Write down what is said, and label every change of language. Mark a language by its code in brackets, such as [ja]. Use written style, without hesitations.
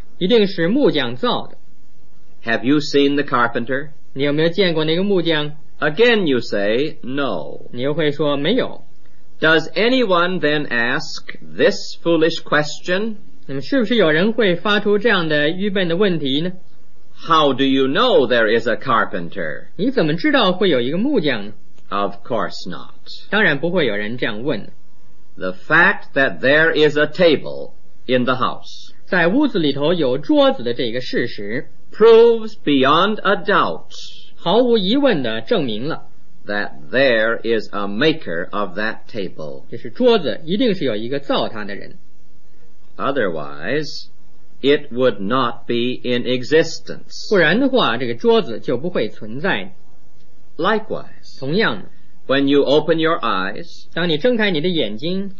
[zh] 一定是木匠造的。 [en] Have you seen the carpenter? [zh] 你有没有见过那个木匠? [en] Again you say, no. [zh] 你又会说没有。 [en] Does anyone then ask this foolish question? [zh] 那么是不是有人会发出这样的愚笨的问题呢? [en] How do you know there is a carpenter? [zh] 你怎么知道会有一个木匠? [en] Of course not. [zh] 当然不会有人这样问。 [en] The fact that there is a table in the house [zh] 在屋子里头有桌子的这个事实 [en] proves beyond a doubt [zh] 毫无疑问地证明了 [en] that there is a maker of that table [zh] 就是桌子一定是有一个造它的人 [en] Otherwise, it would not be in existence [zh] 不然的话这个桌子就不会存在 [en] Likewise [zh] 同样的 [en] When you open your eyes, [zh] 当你睁开你的眼睛,